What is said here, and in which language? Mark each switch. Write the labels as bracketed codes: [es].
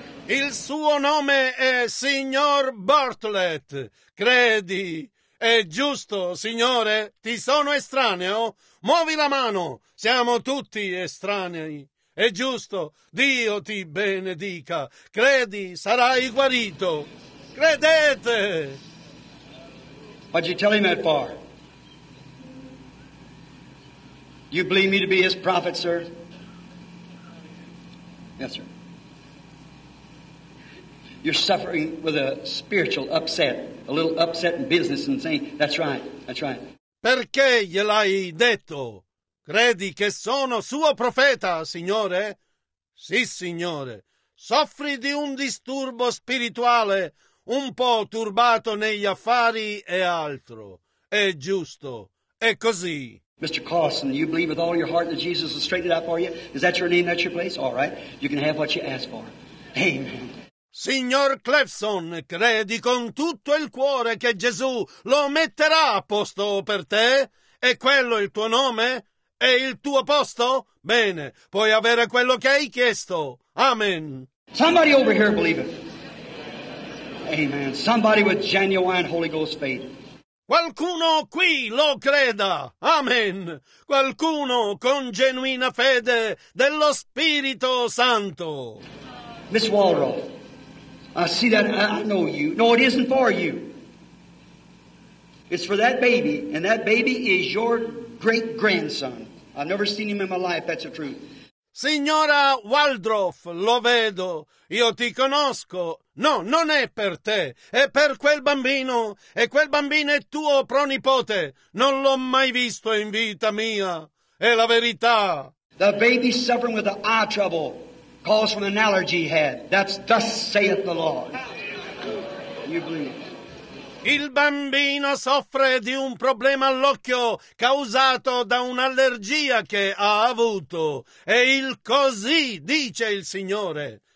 [it] Il suo nome è signor Bartlett. Credi? È giusto, signore? Ti sono estraneo? Muovi la mano. Siamo tutti estranei. È giusto. Dio ti benedica. Credi, sarai guarito. Credete! [en] What'd you tell him that for? You believe me to be his prophet, sir? Yes, sir. You're suffering with a spiritual upset, a little upset in business and saying, that's right, that's right. [it] Perché gliel'hai detto? Credi che sono suo profeta, signore? Sì, signore. Soffri di un disturbo spirituale, un po' turbato negli affari e altro. È giusto. È così. [en] Mr. Carson, you believe with all your heart that Jesus has straightened out for you? Is that your name? That's your place? All right. You can have what you ask for. Amen. [it] Signor Clefson, credi con tutto il cuore che Gesù lo metterà a posto per te? È quello il tuo nome? È il tuo posto? Bene, puoi avere quello che hai chiesto. Amen. [en] Somebody over here believe it. Amen. Somebody with genuine Holy Ghost faith. [it] Qualcuno qui lo creda. Amen. Qualcuno con genuina fede dello Spirito Santo. [en] Miss Walrow, I see that I know you. No, it isn't for you. It's for that baby, and that baby is your great-grandson. I've never seen him in my life, that's the truth. [it] Signora Waldroff, lo vedo. Io ti conosco. No, non è per te. È per quel bambino. E quel bambino è tuo pronipote. Non l'ho mai visto in vita mia. È la verità. [en] The baby suffering with the eye trouble caused from an allergy he had. That's thus saith the Lord. You believe? [it] Il bambino soffre di un problema all'occhio causato da un'allergia che ha avuto. E il così dice il Signore.